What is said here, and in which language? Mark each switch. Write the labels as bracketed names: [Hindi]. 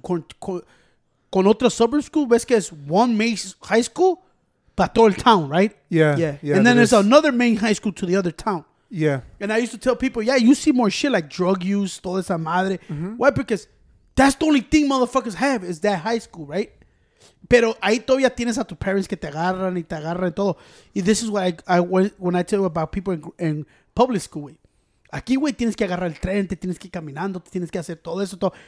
[Spanish] Con otra [English] suburb school, [Spanish] ves que es [English] one main high school, but to the town, right? Yeah. And then there's another main high school to the other town. Yeah. And I used to tell people, yeah, you see more shit like drug use, [Spanish] toda esa madre. [English] Mm-hmm. Why? Because that's the only thing motherfuckers have is that high school, right? [Spanish] Pero ahí todavía tienes a tus parents que te agarran y todo. [English] Y this is why when I tell you about people in public school, güey. [Spanish] Aquí, güey, tienes que agarrar el tren, te tienes que ir caminando, te tienes que hacer todo eso, todo.